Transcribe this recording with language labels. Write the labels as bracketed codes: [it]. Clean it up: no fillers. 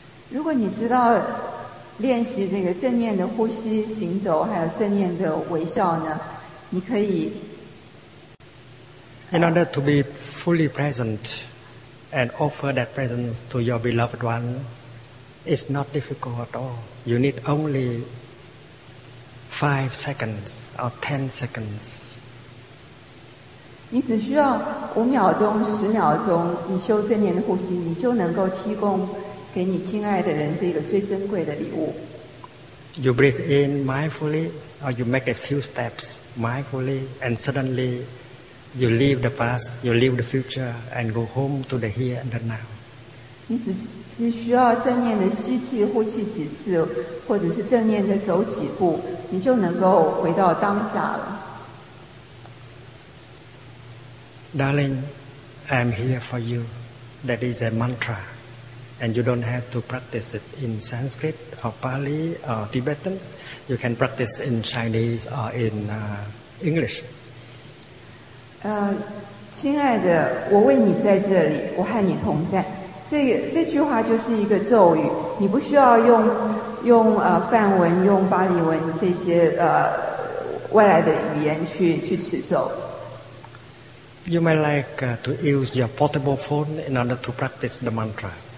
[zh] 如果你知道练习这个正念的呼吸、行走，还有正念的微笑呢，你可以。 [en] In order to be fully present and offer that presence to your beloved one, it's not difficult at all. You need only 5 seconds or 10 seconds. [zh] 你只需要五秒钟、十秒钟，你修正念的呼吸，你就能够提供给你亲爱的人这个最珍贵的礼物。 [en] You breathe in mindfully, or you make a few steps mindfully, and suddenly you leave the past, you leave the future, and go home to the here and the now. [zh] 你只是需要正念的吸气、呼气几次，或者是正念的走几步，你就能够回到当下了。 [en] Darling, I'm here for you. That is a mantra, and you don't have to practice it in Sanskrit or Pali or Tibetan. You can practice in Chinese or in English. [zh] 亲爱的，我为你在这里，我和你同在。这句话就是一个咒语，你不需要用梵文、用巴利文这些外来的语言去持咒。 [en] You might like to use your portable phone in order to practice the mantra.